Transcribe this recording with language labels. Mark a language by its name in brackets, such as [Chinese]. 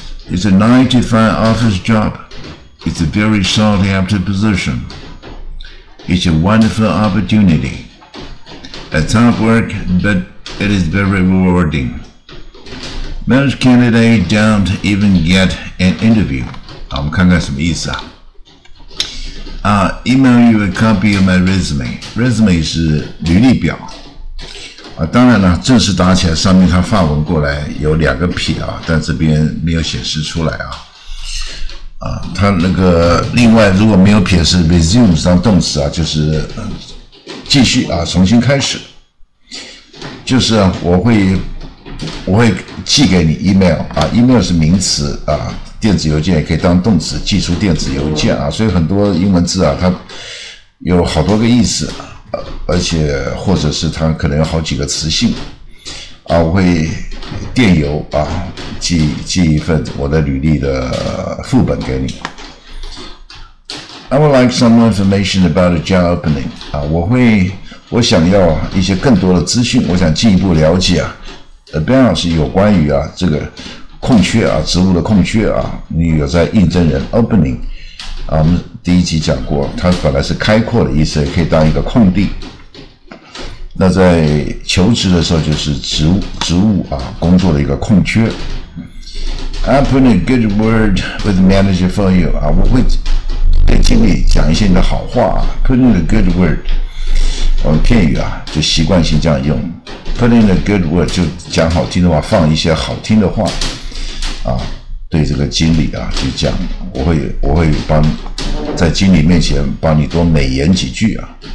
[English] It's a 9-to-5 office job. It's a very sought-after position. It's a wonderful opportunity. It's hard work, but it is very rewarding. Most candidates don't even get an interview. [Chinese] 好，我们看看什么意思啊。 [English] Email you a copy of my resume. Resume [Chinese] 是履历表。当然了，正式打起来，上面它范文过来有两个撇啊，但这边没有显示出来啊。他那个另外如果没有撇是 resume 当动词啊，就是继续啊，重新开始，就是我会寄给你 email 啊， email 是名词啊，电子邮件也可以当动词，寄出电子邮件啊，所以很多英文字啊它有好多个意思，而且或者是它可能有好几个词性啊，我会电邮啊，寄一份我的履历的副本给你。 [English] I would like some information about a job opening. [Chinese] 啊，我想要一些更多的资讯，我想进一步了解啊。 About 是有关于啊这个空缺啊，职务的空缺啊，你有在应征人 opening 啊，我们第一集讲过，它本来是开阔的意思，可以当一个空地。那在求职的时候就是职务啊，工作的一个空缺。 [English] I'm putting a good word with the manager for you. [Chinese] 啊，我会给经理讲一些你的好话啊。 [English] Putting a good word， [Chinese] 我们片语啊，就习惯性这样用。 [English] Putting a good word [Chinese] 就讲好听的话，放一些好听的话啊，对这个经理啊去讲，我会帮在经理面前帮你多美言几句啊。